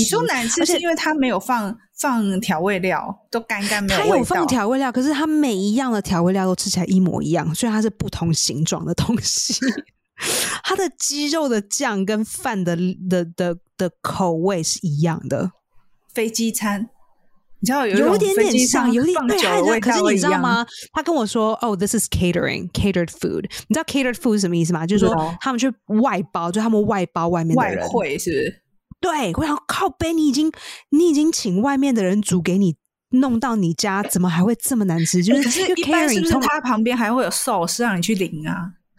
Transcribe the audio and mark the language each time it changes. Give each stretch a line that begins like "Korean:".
Chinese: 你说难吃是因为它没有放调味料，都干干没有味道。它有放调味料，可是它每一样的调味料都吃起来一模一样，虽然它是不同形状的东西。它的鸡肉的酱跟饭的口味是一样的，飞机餐。你知道有点点像，有点对，可是你知道吗？他跟我说：“哦 ，
English: this is catered food。”
Chinese: 你知道 catered food 是什么意思吗？就是说他们去外包，就他们外包外面的人外汇，是不是？对，我想靠北，你已经请外面的人煮给你，弄到你家，怎么还会这么难吃？就是一般是不是他旁边还会有 sauce 让你去淋啊？